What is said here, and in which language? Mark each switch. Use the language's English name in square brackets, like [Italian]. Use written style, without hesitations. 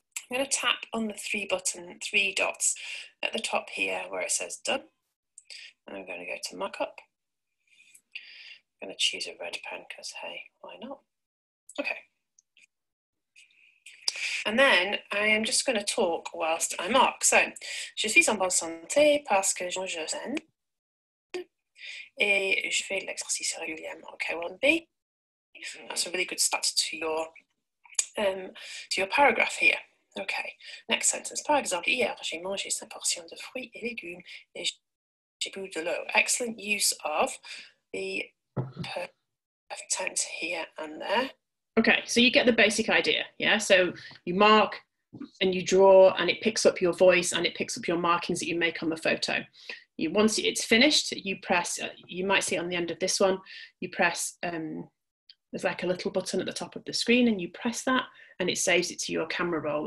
[English] I'm going to tap on the three dots at the top here where it says done, and I'm going to go to mockup. I'm going to choose a red pen because, hey, why not? Okay. And then I am just going to talk whilst I mark. [French] So, je suis en bonne santé parce que je m'enseigne et je fais l'exercice régulièrement. [English] Okay, well, B. That's a really good start to your paragraph here. Okay, next sentence. [French] Par exemple, hier j'ai mangé cinq portions de fruits et légumes et j'ai bu de l'eau. [English] Excellent use of the perfect tense here and there. Okay, so you get the basic idea, yeah? So you mark and you draw and it picks up your voice and it picks up your markings that you make on the photo. Once it's finished, you press, you might see on the end of this one, you press, there's like a little button at the top of the screen and you press that and it saves it to your camera roll.